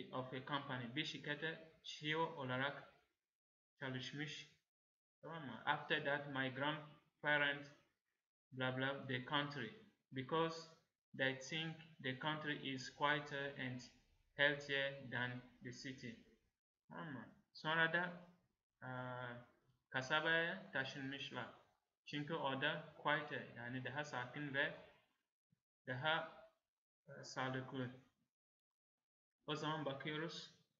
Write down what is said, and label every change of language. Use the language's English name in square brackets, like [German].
[English] Of a company, [Turkish] bir şirkete CEO olarak çalışmış, tamam mı? [English] After that, my grandparents, blah blah, the country, because they think the country is quieter and healthier than the city, [Turkish] tamam mı? Sonra da, kasabaya taşınmışlar. Çünkü orada quieter, yani daha sakin ve daha sağlıklı. O zaman bakıyoruz.